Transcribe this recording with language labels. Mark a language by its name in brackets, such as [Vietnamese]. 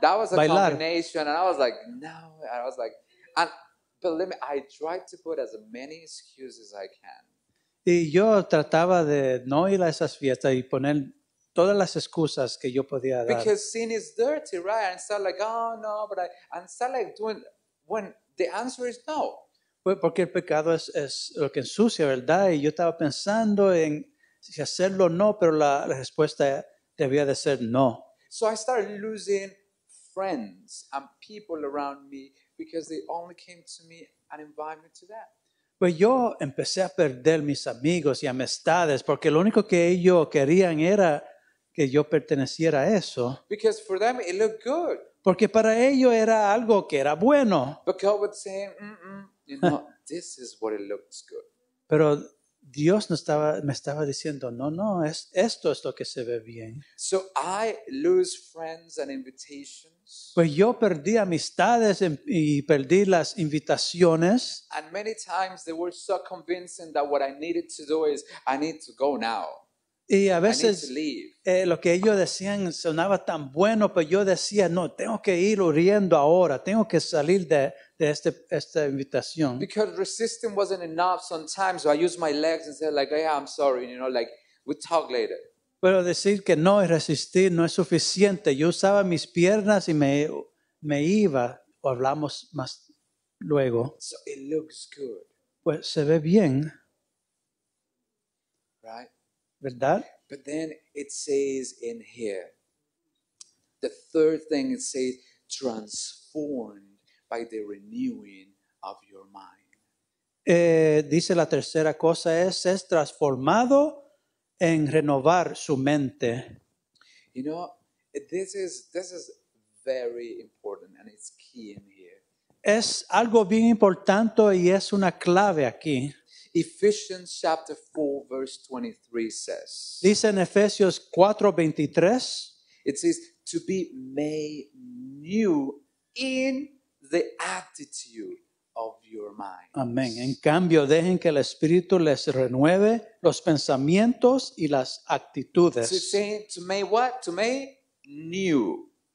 [English] That was a combination. And I was like, no. I was like, believe me, I tried to put as many excuses as I can. [Spanish] Y yo trataba de no ir a esas fiestas y poner todas las excusas que yo podía dar. [English] Because sin is dirty, right? And start like, oh no, but I and start like doing when the answer is no. [Spanish] Porque el pecado es lo que ensucia, ¿verdad? Y yo estaba pensando en si hacerlo o no, pero la respuesta debía de ser no. [English] So I started losing friends and people around me because they only came to me and invited me to that. [Spanish] Pues yo empecé a perder mis amigos y amistades porque lo único que ellos querían era que yo perteneciera a eso. [English] Because for them it looked good. [Spanish] Porque para ellos era algo que era bueno. [English] But God would say, you know, this is what it looks good. [Spanish] Pero Dios me estaba diciendo, no, esto es lo que se ve bien. [English] So I lose friends and invitations. [Spanish] Pues yo perdí amistades y perdí las invitaciones. [English] And many times they were so convincing that what I needed to do is I need to go now. [Spanish] Y a veces [English] I need to leave. [Spanish] Lo que ellos decían sonaba tan bueno, pero yo decía, no, tengo que ir huyendo ahora, tengo que salir de esta invitación. [English] Because resisting wasn't enough sometimes, so I used my legs and said, like, yeah, I'm sorry, you know, like, we'll talk later. [Spanish] Pero decir que no y resistir no es suficiente. Yo usaba mis piernas y me iba, o hablamos más luego. [English] So it looks good. [Spanish] Pues se ve bien. [English] Right? [Spanish] ¿Verdad? [English] But then it says in here, the third thing it says, transformed by the renewing of your mind. [Spanish] Dice la tercera cosa es transformado en renovar su mente. [English] You know, this is very important and it's key in here. [Spanish] Es algo bien importante y es una clave aquí. [English] Ephesians chapter 4, verse 23 says. [Spanish] Dice en Efesios 4:23. [English] It says, to be made new in the attitude of your mind. [Spanish] Amén. En cambio, dejen que el Espíritu les renueve los pensamientos y las actitudes. [English] So it's saying, to make what? To make new.